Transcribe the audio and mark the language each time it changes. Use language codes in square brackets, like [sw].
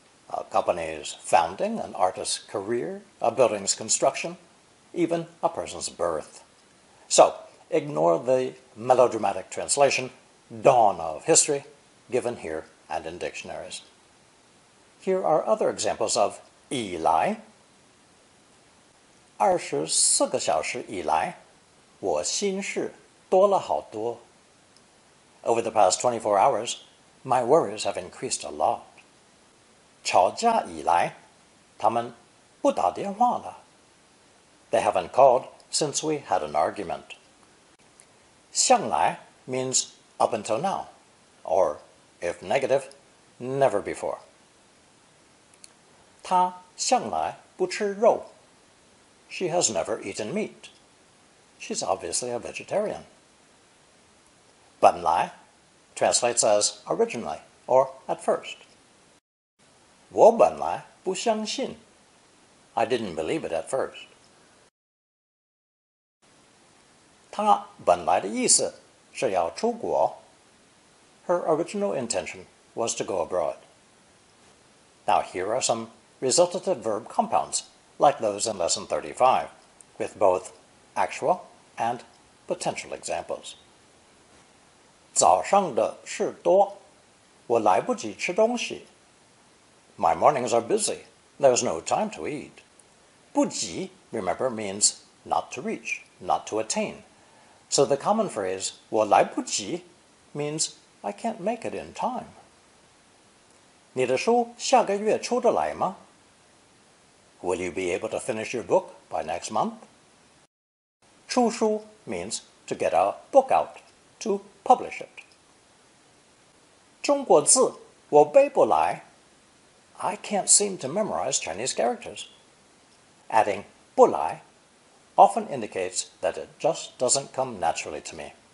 [en] A company's founding, an artist's career, a building's construction, even a person's birth. So, ignore the melodramatic translation, dawn of history, given here and in dictionaries. Here are other examples of 以来。 [zh] 二十四个小时以来，我心事多了好多。 [en] Over the past 24 hours, my worries have increased a lot. [zh] 吵架以来，他们不打电话了。 [en] They haven't called since we had an argument. 向来 means up until now, or if negative, never before. [zh] 他向来不吃肉。 [en] She has never eaten meat. She's obviously a vegetarian. 本来 translates as originally or at first. [zh] 我本来不相信。 [en] I didn't believe it at first. [zh] 他本来的意思是要出国。 [en] Her original intention was to go abroad. Now here are some resultative verb compounds, like those in Lesson 35, with both actual and potential examples. [zh] 早上的事多，我来不及吃东西。 [en] My mornings are busy. There's no time to eat. [zh] 不及, [en] remember, means not to reach, not to attain. So the common phrase, [zh] 我来不及, [en] means I can't make it in time. [zh] 你的书下个月出得来吗? [en] Will you be able to finish your book by next month? [zh] 出书 [en] means to get a book out, to publish it. [zh] 中国字我背不来。 [en] I can't seem to memorize Chinese characters. Adding 不来 often indicates that it just doesn't come naturally to me.